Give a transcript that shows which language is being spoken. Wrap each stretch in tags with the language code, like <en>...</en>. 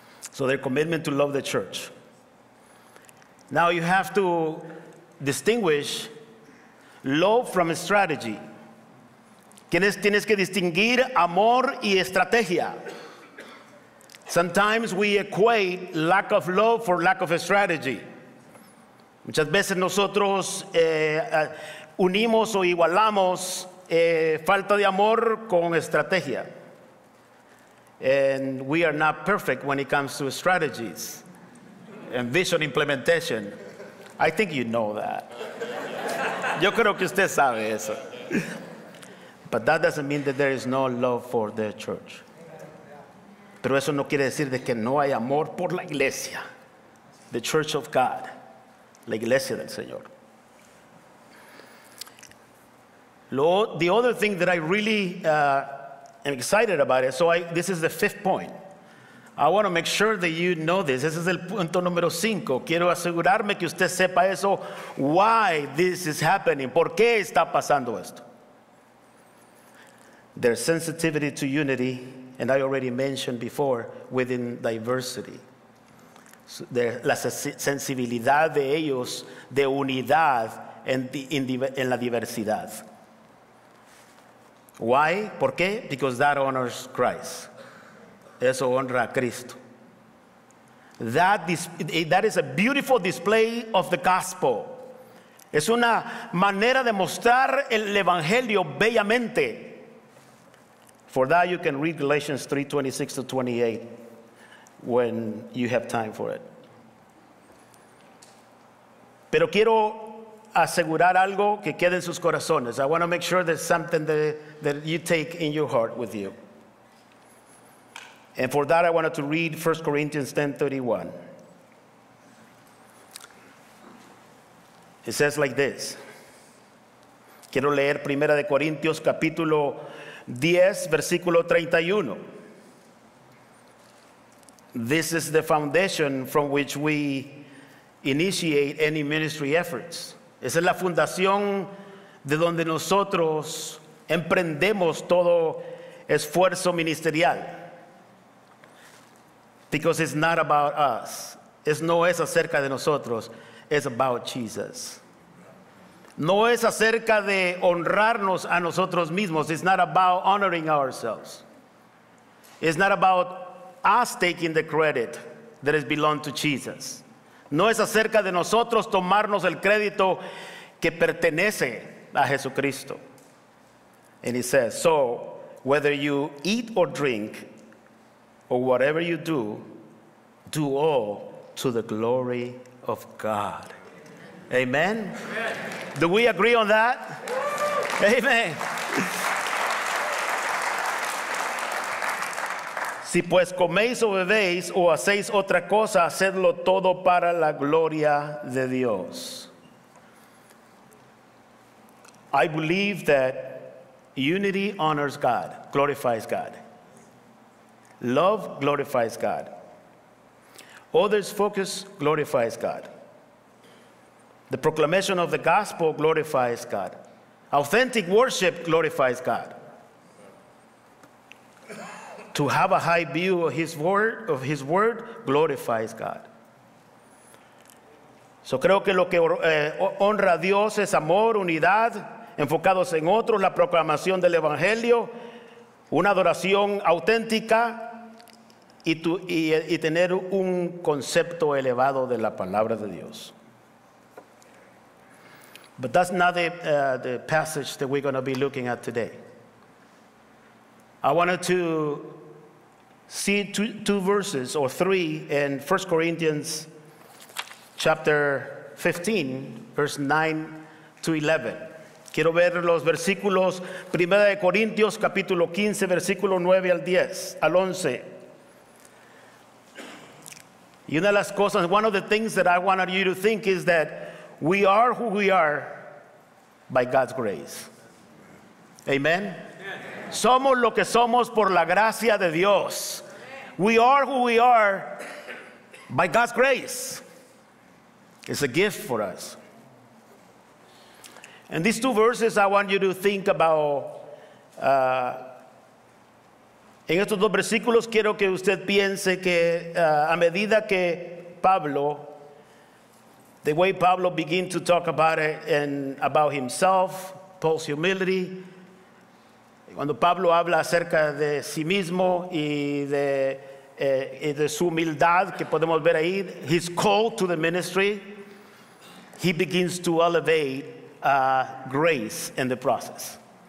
<en>So their commitment to love the church. Now you have to distinguish love from strategy.</en> <es>Tienes que distinguir amor y estrategia.</es> <en>Sometimes we equate lack of love for lack of strategy.</en> <es>Muchas veces nosotros unimos o igualamos falta de amor con estrategia.</es> <en>And we are not perfect when it comes to strategies and vision implementation. I think you know that.</en> <es>Yo creo que usted sabe eso.</es> <en>But that doesn't mean that there is no love for the church.</en> <es>Pero eso no quiere decir de que no hay amor por la iglesia.</es> <en>The church of God.</en> <es>La iglesia del Señor.</es> <en>The other thing that I really am excited about is, this is the fifth point. I want to make sure that you know this.</en> <es>Ese es el punto número cinco. Quiero asegurarme que usted sepa eso.</es> <en>Why this is happening.</en> <es>¿Por qué está pasando esto?</es> <en>Their sensitivity to unity, and I already mentioned before, within diversity.</en> <es>So la sensibilidad de ellos de unidad en la diversidad.</es> <en>Why?</en> <es>¿Por qué?</es> <en>Because that honors Christ.</en> <es>Eso honra a Cristo.</es> <en>That is a beautiful display of the gospel.</en> <es>Es una manera de mostrar el evangelio bellamente.</es> <en>For that you can read Galatians 3:26-28 when you have time for it.</en> <es>Pero quiero asegurar algo que quede en sus corazones.</es> <en>I want to make sure there's something that you take in your heart with you. And for that, I wanted to read 1 Corinthians 10:31. It says like this.</en> <es>Quiero leer 1 Corintios capítulo 10, versículo 31.</es> <en>This is the foundation from which we initiate any ministry efforts.</en> <es>Esa es la fundación de donde nosotros emprendemos todo esfuerzo ministerial.</es> <en>Because it's not about us.</en> <es>Es no es acerca de nosotros.</es> <en>It's about Jesus.</en> <es>No es acerca de honrarnos a nosotros mismos.</es> <en>It's not about honoring ourselves. It's not about us taking the credit that is belong to Jesus.</en> <es>No es acerca de nosotros tomarnos el crédito que pertenece a Jesucristo.</es> <en>And he says, so whether you eat or drink, or whatever you do, do all to the glory of God. Amen? Do we agree on that? Amen.</en> <es>Si pues coméis o bebéis o hacéis otra cosa, hacedlo todo para la gloria de Dios.</es> <en>I believe that unity honors God, glorifies God. Love glorifies God. Others' focus glorifies God. The proclamation of the gospel glorifies God. Authentic worship glorifies God. To have a high view of His word glorifies God.</en> <es>So creo que lo que honra a Dios es amor, unidad, enfocados en otros, la proclamación del evangelio, una adoración auténtica, y tener un concepto elevado de la palabra de Dios.</es> <en>But that's not the passage that we're going to be looking at today. I wanted to see two verses or three in 1 Corinthians chapter 15, verse 9-11.</en> <es>Quiero ver los versículos, 1 Corintios capítulo 15, versículo 9 al 11. Y una de las cosas,</es> <en>one of the things that I wanted you to think is that we are who we are by God's grace. Amen? Yes.</en> <es>Somos lo que somos por la gracia de Dios.</es> <en>We are who we are by God's grace. It's a gift for us. And these two verses I want you to think about.</en> <es>En estos dos versículos quiero que usted piense que a medida que Pablo,</es> <en>the way Pablo begin to talk about it and about himself, Paul's humility,</en> <es>cuando Pablo habla acerca de sí mismo y de su humildad que podemos ver ahí,</es> <en>his call to the ministry, he begins to elevate grace in the process.</en>